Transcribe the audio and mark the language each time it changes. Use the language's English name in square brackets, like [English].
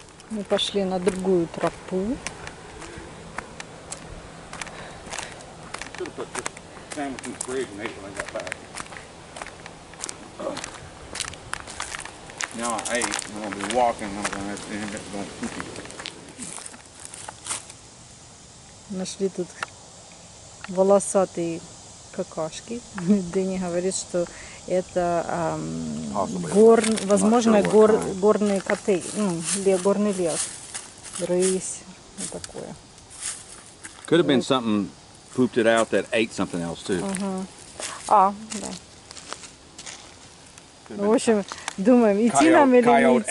[Russian] Мы пошли на другую тропу. [English] Should have put this sandwich in the fridge and ate when I got back. Now I ate, I'm gonna be walking, I'm gonna have to end up going poopy. [Russian] Нашли тут волосатые какашки. Дэнни говорит, что это горные коты, горный лес, рысь, вот такое. [English] Could have been something pooped it out that ate something else too. Uh-huh. А, да. [Russian] Ну, в общем, думаем, идти нам или не идти.